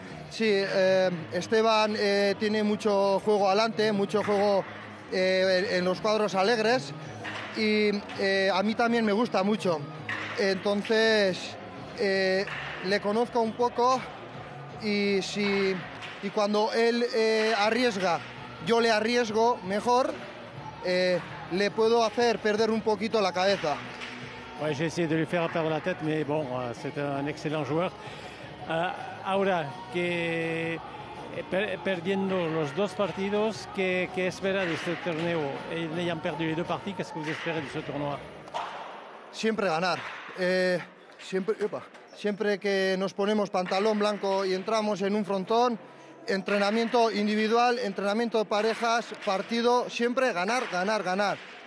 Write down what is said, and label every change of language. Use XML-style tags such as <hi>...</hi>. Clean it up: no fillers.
<es>Sí, Esteban tiene mucho juego adelante, mucho juego en los cuadros alegres y a mí también me gusta mucho. Entonces, le conozco un poco y cuando él arriesga, yo le arriesgo mejor. Le puedo hacer perder un poquito la cabeza.</es> <fr>Ouais, j'ai essayé de lui faire perdre la tête, mais bon, c'est un excellent joueur.</fr> <es>Ahora, que perdiendo los dos partidos, ¿qué espera de este torneo?</es> <fr>Ils ont perdu les deux parties, qu'est-ce que vous espérez de ce tournoi?</fr> <es>Siempre ganar. Siempre que nos ponemos pantalón blanco y entramos en un frontón, entrenamiento individual, entrenamiento de parejas, partido, siempre ganar.</es>